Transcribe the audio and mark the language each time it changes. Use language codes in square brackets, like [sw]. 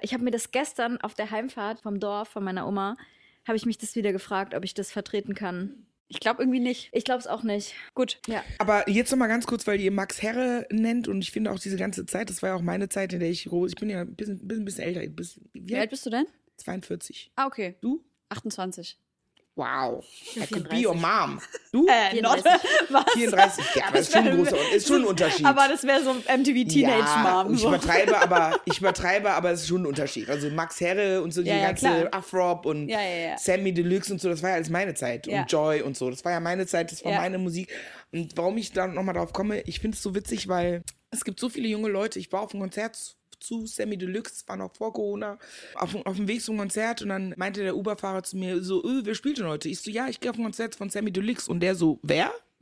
[de] Ich habe mir das gestern auf der Heimfahrt vom Dorf von meiner Oma, habe ich mich das wieder gefragt, ob ich das vertreten kann. Ich glaube irgendwie nicht. Ich glaube es auch nicht. Gut, ja. Aber jetzt nochmal ganz kurz, weil ihr Max Herre nennt und ich finde auch diese ganze Zeit, das war ja auch meine Zeit, in der ich bin ja ein bisschen älter. Wie alt bist du denn? 42. Ah, okay. Du? 28. [en] Wow, that could be your mom. [de] Du? 34. 34, ja, aber ist schon ein Unterschied. Aber das wäre so MTV Teenage-Mom. Ja, so. Ich übertreibe, aber es ist schon ein Unterschied. Also Max Herre und so, die ganze Afrop und Sammy Deluxe und so, das war ja alles meine Zeit. Ja. Und Joy und so, das war ja meine Zeit, das war meine Musik. Und warum ich da nochmal drauf komme, ich finde es so witzig, weil es gibt so viele junge Leute, ich war auf einem Konzert zu Sammy Deluxe, war noch vor Corona, auf dem Weg zum Konzert und dann meinte der Uber-Fahrer zu mir so, wer spielt denn heute? Ich so, ja, ich gehe auf ein Konzert von Sammy Deluxe und der so, wer?